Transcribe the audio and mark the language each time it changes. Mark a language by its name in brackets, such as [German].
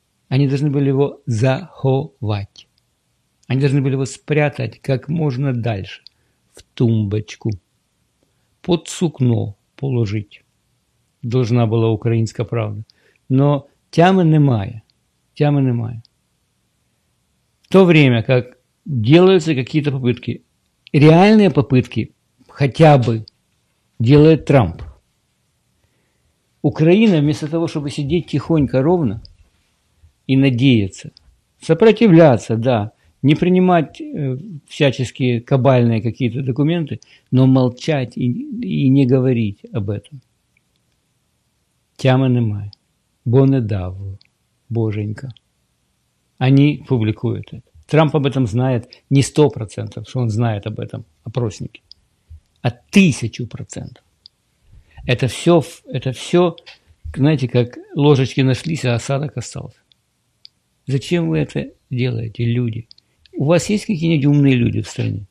[Ukrainian] Вони повинні були його заховати. Вони повинні були його спрятати як можна далі в тумбочку, під сукно положити. Повинна була українська правда. Но тями немає. Тями немає. [Russian] В то время, как делаются какие-то попытки, реальные попытки хотя бы делает Трамп. Украина вместо того, чтобы сидеть тихонько ровно и надеяться, сопротивляться, да, не принимать всяческие кабальные какие-то документы, но молчать и не говорить об этом. [Ukrainian] Тямы немає, бо не дав, боженька. [Russian] Они публикуют это. Трамп об этом знает не 100%, что он знает об этом, опросники, а 1000%. Это все, знаете, как ложечки нашлись, а осадок остался. Зачем вы это делаете, люди? У вас есть какие-нибудь умные люди в стране?